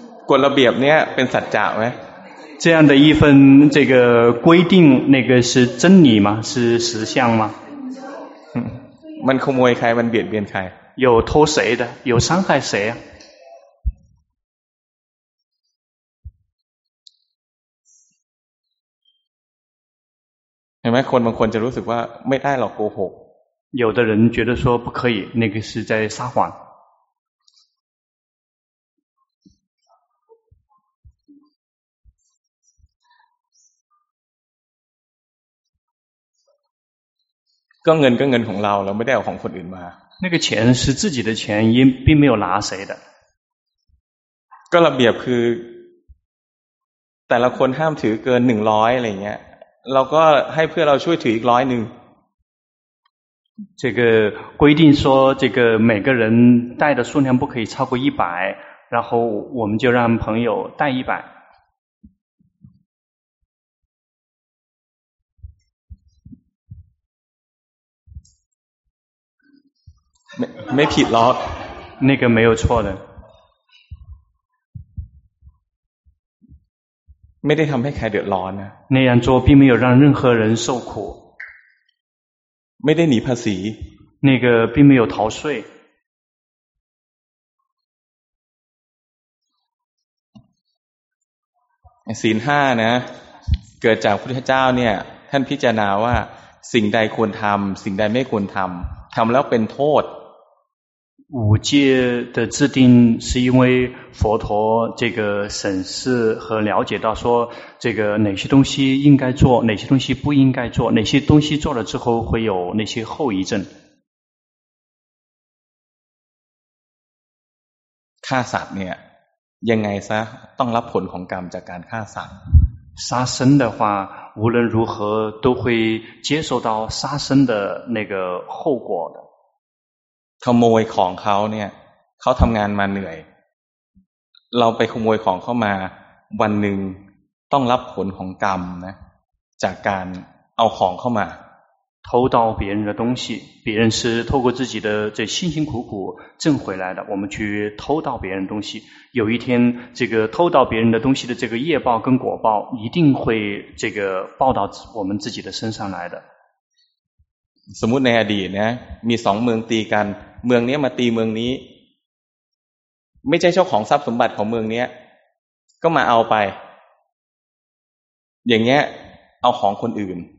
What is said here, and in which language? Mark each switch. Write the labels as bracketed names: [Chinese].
[Thai] กฎระเบียบเนี้ยเป็นสัจจะไหม [Chinese] 这样的一份这个规定那个是真理吗是实相吗 [Thai] มันขโมยใครมันเบียดเบียนใคร [Chinese] 有偷谁的有伤害谁啊 [Thai] เห็นไหมคนบางคนจะรู้สึกว่าไม่ได้หรอกโกหก [Chinese] 有的人觉得说不可以那个是在撒谎 [Thai] ก็เงินก็เงินของเราเราไม่ได้เอาของคนอื่นมา [Chinese] 那个钱是自己的钱也并没有拿谁的 [Thai] ก็ระเบียบคือแต่ละคนห้ามถือเกิน100อะไรเงี้ยเราก็ให้เพื่อเราช่วยถืออีกร้อยหนึ่ง [Chinese] 这个规定说这个每个人带的数量不可以超过100然后我们就让朋友带100 [Thai] 没ผิดหรอก [Chinese] 那个没有错的 [Thai] ไม่ได้ทำให้ใครเดือดร้อน [Chinese] นะ那样做并没有让任何人受苦 [Thai] ไม่ได้หนีภาษี [Chinese] 那个并没有逃税 [Thai] ศีล5นะเกิดจากพระพุทธเจ้าเนี่ยท่านพิจารณาว่าสิ่งใดควรทำสิ่งใดไม่ควรทำทำแล้วเป็นโทษ [Chinese] 五戒的制定是因为佛陀这个审视和了解到说这个哪些东西应该做哪些东西不应该做哪些东西做了之后会有那些后遗症 [Thai] ฆ่าสัตว์เนี่ยยังไงซะต้องรับผลของกรรมจากการฆ่าสัตว์ [Chinese] 杀生的话无论如何都会接受到杀生的那个后果的 [Thai] ขโมยของเขาเนี่ยเขาทำงานมาเหนื่อยเราไปขโมยของเขามาวันหนึ่งต้องรับผลของกรรมนะจากการเอาของเข้ามา [Chinese] 偷盗别人的东西别人是透过自己的这辛辛苦苦挣回来的我们去偷盗别人的东西有一天这个偷盗别人的东西的这个业报跟果报一定会这个报到我们自己的身上来的 [Thai] สมมุติในอดีตนะมี2เมืองตีกันเมืองนี้มาตีเมืองนี้ไม่ใช่เจ้าของทรัพย์สมบัติของเมืองนี้ก็มาเอาไปอย่างเงี้ยเอาของคนอื่น